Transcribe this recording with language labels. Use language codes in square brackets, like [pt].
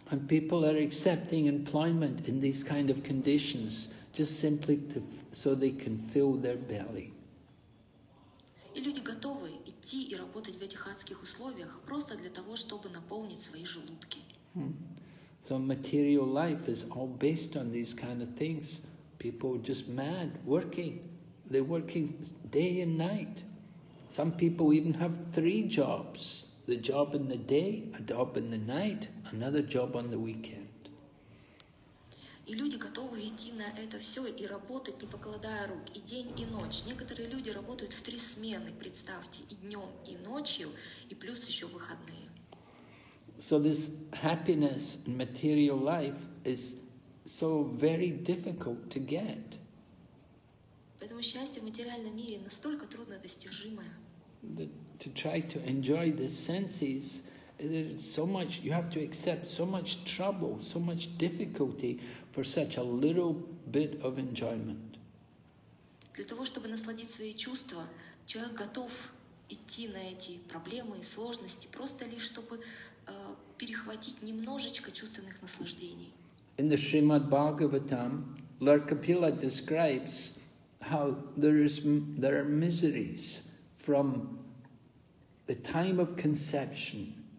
[en] And people are accepting employment in these kind of conditions just simply to, so they can fill their belly. [ru] И люди готовы идти и работать в этих адских условиях просто для того, чтобы наполнить свои желудки. [en] So material life is all based on these kind of things. People are just mad working. They're working day and night. Some people even have three jobs. The job in the day, a job in the night, another job on the weekend. [ru] И люди готовы идти на это все и работать, не покладая рук, и день, и ночь. Некоторые люди работают в три смены, представьте, и днем, и ночью, и плюс еще выходные. [en] So this happiness in material life is so very difficult to get. [ru] Поэтому счастье в материальном мире настолько труднодостижимое. [en] To try to enjoy the senses, there's so much, you have to accept so much trouble, so much difficulty for such a little bit of enjoyment. [ru] Для того, чтобы насладить свои чувства, человек готов идти на эти проблемы и сложности, просто лишь чтобы перехватить немножечко чувственных наслаждений. [en] In the Srimad Bhagavatam, Lord Kapila describes how there are miseries from the time of conception.